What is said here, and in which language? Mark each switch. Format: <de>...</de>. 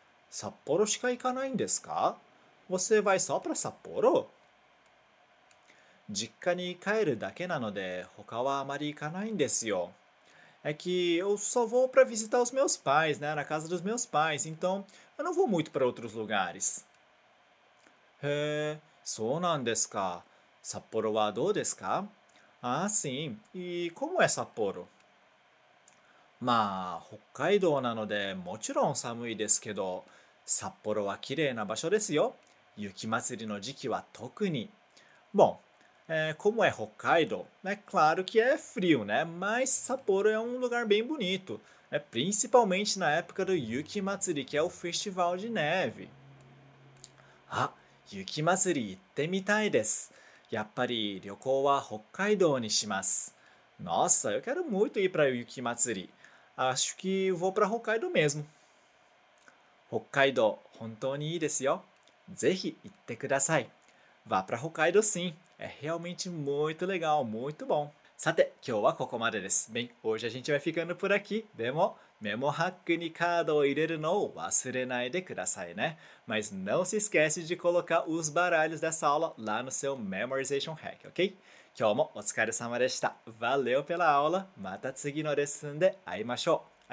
<ja>札幌しか行かないんですか？</ja> <pt>Você vai só para Sapporo？</pt> <ja>実家に帰るだけなので、他はあまり行かないんですよ。</ja> <pt>É que eu só vou para visitar os meus pais, né? Na casa dos meus pais. Então, eu não vou muito para outros lugares.</pt> <ja>É, そうなんですか。札幌はどうですか？ああ、sim.</ja> <pt>E como é 札幌？</pt> <ja>まあ、北海道なので、もちろん寒いですけど、札幌は綺麗な場所ですよ。雪まつりの時期は特に。</ja> <pt>Bom, como é 北海道？ É claro que é frio, né? Mas 札幌é um lugar bem bonito. É principalmente na época do Yuki Matsuri, que é o festival de neve.</pt> <ja>Ah, Yuki Matsuri, itte mitai desu. やっぱり旅行は北海道にします。</ja> <pt>Nossa, eu quero muito ir para Yuki Matsuri. Acho que vou para Hokkaido mesmo.</pt> <ja>北海道、本当にいいですよ。ぜひ行ってください。</ja> <pt>Vá para Hokkaido sim. É realmente muito legal, muito bom.</pt> <ja>さて、今日はここまでです。</ja> <pt>Bem, hoje a gente vai ficando por aqui.</pt> <ja>でも、メモハックにカードを入れるのを忘れないでくださいね。</ja> <pt>Mas não se esquece de colocar os baralhos dessa aula lá no seu Memorization Hack, ok?</pt> <ja>今日もお疲れ様でした。</ja> <pt>Valeu pela aula.</pt> <ja>また次のレッスンで会いましょう。</ja>